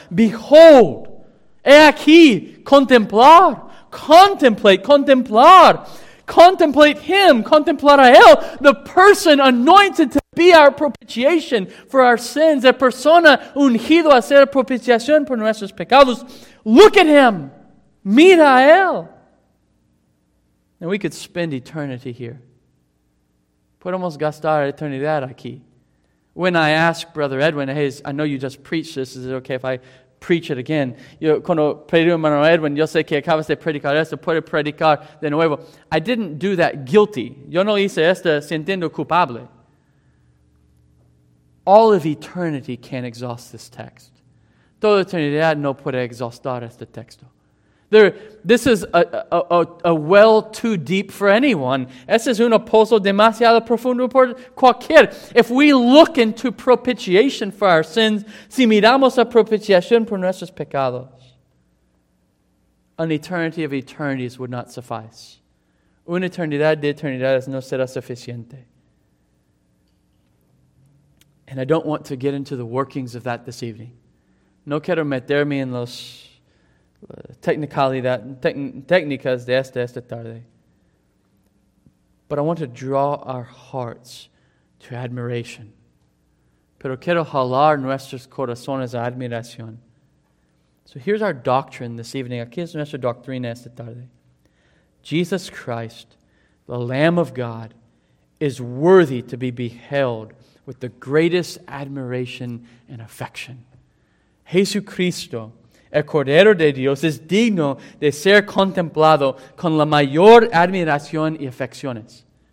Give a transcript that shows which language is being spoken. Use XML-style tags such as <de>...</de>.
<en>Behold,</en> <es>he aquí, contemplar,</es> <en>contemplate,</en> <es>contemplar,</es> <en>contemplate Him, contemplar a Él, the person anointed to be our propitiation for our sins,</en> <es>la persona ungido a ser propiciación por nuestros pecados.</es> <en>Look at Him,</en> <es>mira a Él.</es> <en>And we could spend eternity here.</en> <es>Podemos gastar eternidad aquí.</es> <en>When I ask Brother Edwin, hey, I know you just preached this, is it okay if I preach it again?</en> <es>Yo, cuando predico hermano Edwin, yo sé que acabas de predicar esto, puede predicar de nuevo.</es> <en>I didn't do that guilty.</en> <es>Yo no hice esto sintiendo culpable.</es> <en>All of eternity can't exhaust this text.</en> <es>Toda eternidad no puede exhaustar este texto.</es> <en>This is a well too deep for anyone.</en> <es>Este es un pozo demasiado profundo por cualquier.</es> <en>If we look into propitiation for our sins,</en> <es>si miramos a propiciación por nuestros pecados,</es> <en>an eternity of eternities would not suffice.</en> <es>Una eternidad de eternidades no será suficiente.</es> <en>And I don't want to get into the workings of that this evening.</en> <es>No quiero meterme en los técnicas de esta tarde.</es> <en>But I want to draw our hearts to admiration.</en> <es>Pero quiero jalar nuestros corazones a admiración.</es> <en>So here's our doctrine this evening.</en> <es>Aquí es nuestra doctrina esta tarde.</es> <en>Jesus Christ, the Lamb of God, is worthy to be beheld with the greatest admiration and affection.</en> <es>Jesucristo, el Cordero de Dios, es digno de ser contemplado con la mayor admiración y afecciones.</es>